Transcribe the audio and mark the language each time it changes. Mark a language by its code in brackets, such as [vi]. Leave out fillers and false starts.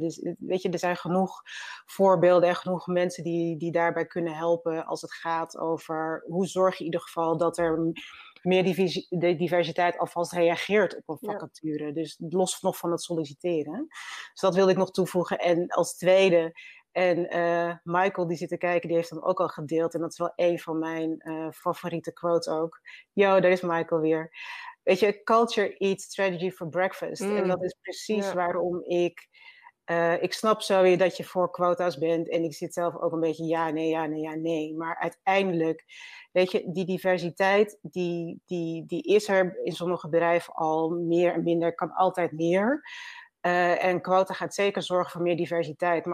[nl] Dus weet je, er zijn genoeg voorbeelden en genoeg mensen die daarbij kunnen helpen als het gaat over hoe zorg je in ieder geval dat er meer diversiteit alvast reageert op een vacature. Ja. Dus los nog van het solliciteren. Dus dat wilde ik nog toevoegen. En als tweede, en Michael die zit te kijken, die heeft hem ook al gedeeld. En dat is wel een van mijn favoriete quotes ook. Yo, daar is Michael weer. Weet je, [en] culture eats strategy for breakfast. [nl] Mm. En dat is precies waarom ik... Ik snap zo weer dat je voor quota's bent. En ik zit zelf ook een beetje ja, nee. Maar uiteindelijk, weet je, die diversiteit, die is er in sommige bedrijven al meer en minder. Kan altijd meer. En quota gaat zeker zorgen voor meer diversiteit.